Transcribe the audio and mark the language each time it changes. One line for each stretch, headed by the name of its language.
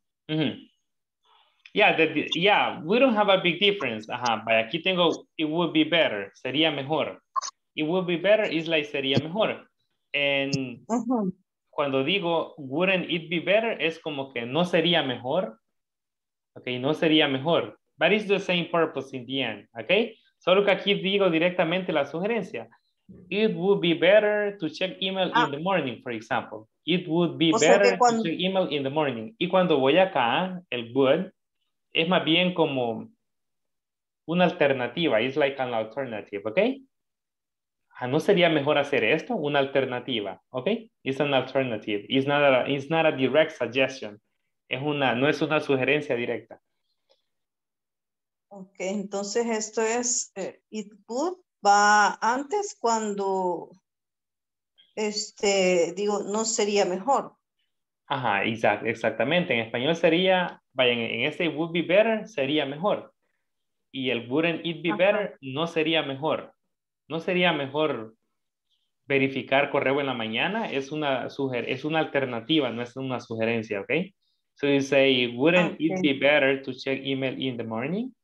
English: Mm-hmm. Mm-hmm. Yeah, we don't have a big difference.
Spanish: Ajá, vaya, aquí tengo,
English: it would be better,
Spanish: sería mejor.
English: It would be better is like, sería mejor. And... Uh-huh.
Spanish: Cuando digo,
English: wouldn't it be better,
Spanish: es como que no sería mejor. Ok, no sería mejor.
English: But it's the same purpose in the end, ok?
Spanish: Solo que aquí digo directamente la sugerencia.
English: It would be better to check email in the morning, for example. It would be better to check email in the morning.
Spanish: Y cuando voy acá, el would, es más bien como una alternativa.
English: It's like an alternative, ok?
Spanish: Ah, ¿no sería mejor hacer esto? Una alternativa,
English: ¿ok? It's an alternative. It's not a direct suggestion.
Spanish: No es una sugerencia directa. Ok, entonces esto es, it would va antes cuando, no sería mejor. Ajá, exactamente. En español sería, vaya, en este
English: would be better,
Spanish: sería mejor. Y el
English: wouldn't it be better,
Spanish: no sería mejor. No sería mejor verificar correo en la mañana. Es una alternativa, no es una sugerencia, ¿ok?
English: So you say, wouldn't it be better to check email in the morning?